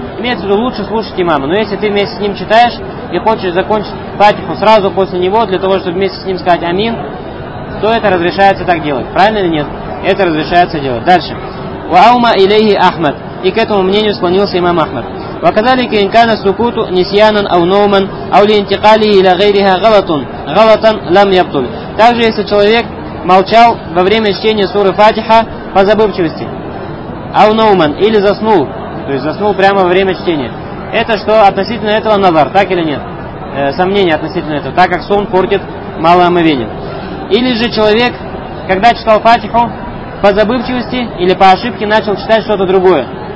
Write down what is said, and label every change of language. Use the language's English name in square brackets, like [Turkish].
[Russian] имеется в виду лучше слушать имама. Но если ты вместе с ним читаешь и хочешь закончить фатиху сразу после него, для того, чтобы вместе с ним сказать амин, то это разрешается так делать. Правильно или нет? Это разрешается делать. Дальше. [Arabic] Ва'аума илейхи Ахмад. [Russian] И к этому мнению склонился имам Ахмад. [Arabic] وكذلك إن كان السكوت نسيانا أو نوما أو لانتقاله إلى غيرها غلطا لم يبطل. [Russian] Также если человек молчал во время чтения суры Фатиха по забывчивости, [Arabic] أو نوما, [Russian] или заснул, то есть заснул прямо во время чтения, это что относительно этого назар, так или нет? Сомнение относительно этого, так как сон портит малое омовение. Или же человек, когда читал Фатиху по забывчивости или по ошибке, начал читать что-то другое.